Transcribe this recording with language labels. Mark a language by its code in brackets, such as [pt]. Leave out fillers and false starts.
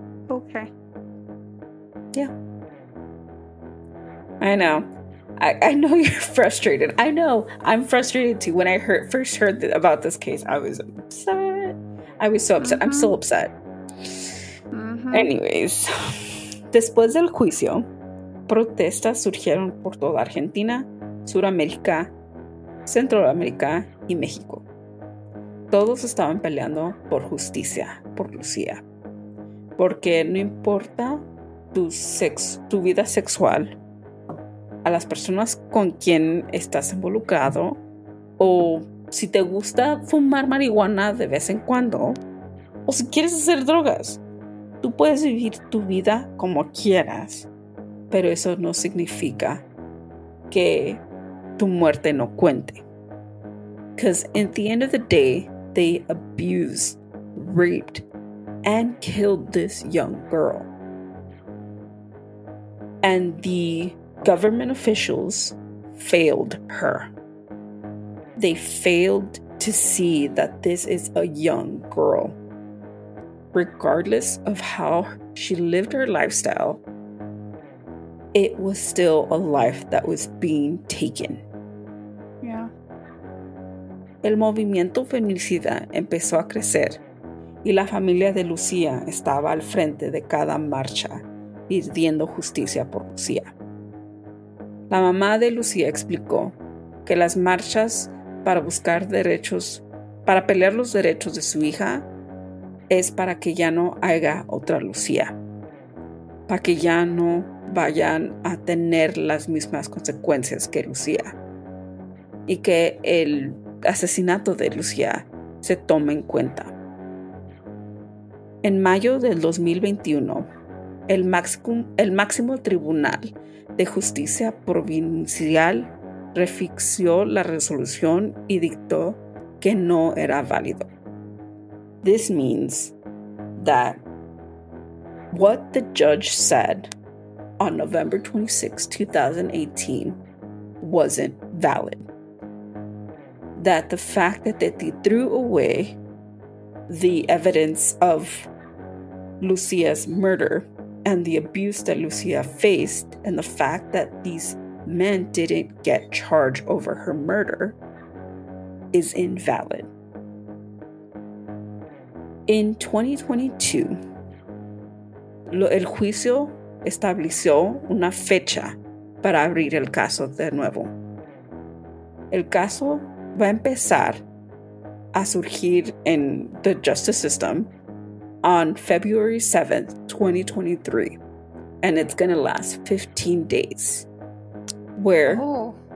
[en] Okay. Yeah. I know. I know you're frustrated. I know. I'm frustrated too. When I first heard about this case, I was upset. I was so upset. Mm-hmm. I'm still upset. Mm-hmm. Anyways. [es] Después del juicio, protestas surgieron por toda Argentina, Sudamérica, Centroamérica y México. Todos estaban peleando por justicia, por Lucía. Porque no importa tu vida sexual, a las personas con quien estás involucrado, o si te gusta fumar marihuana de vez en cuando, o si quieres hacer drogas, tú puedes vivir tu vida como quieras, pero eso no significa que tu muerte no cuente. [en] Because at the end of the day, they abused, raped, and killed this young girl. And the government officials failed her. They failed to see that this is a young girl. Regardless of how she lived her lifestyle, it was still a life that was being taken. Yeah. [es] El movimiento feminicida empezó a crecer y la familia de Lucía estaba al frente de cada marcha pidiendo justicia por Lucía. La mamá de Lucía explicó que las marchas para buscar derechos, para pelear los derechos de su hija, es para que ya no haya otra Lucía, para que ya no vayan a tener las mismas consecuencias que Lucía, y que el asesinato de Lucía se tome en cuenta. En mayo del 2021, el máximo tribunal de justicia provincial refirió la resolución y dictó que no era válido. [en] This means that what the judge said on November 26, 2018 wasn't valid. That the fact that they threw away the evidence of Lucia's murder and the abuse that Lucia faced, and the fact that these men didn't get charged over her murder, is invalid. In 2022, [es] el juicio estableció una fecha para abrir el caso de nuevo. El caso va a empezar a surgir en [en] the justice system on February 7th, 2023, and it's going to last 15 days, where